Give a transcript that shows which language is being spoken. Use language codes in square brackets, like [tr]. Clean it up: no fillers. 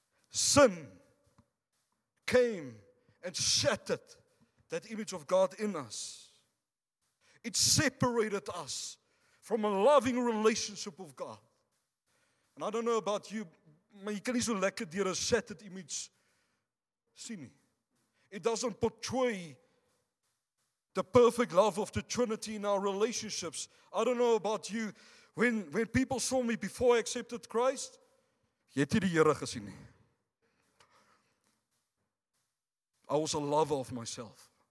[en] Sin came and shattered that image of God in us. It separated us from a loving relationship with God. And I don't know about you, [af] maar jy kan nie so lekker deur 'n shattered image sien nie. [en] It doesn't portray the perfect love of the Trinity in our relationships. I don't know about you, when people saw me before I accepted Christ, [af] jy het nie die Here gesien nie. [en] I was a lover of myself.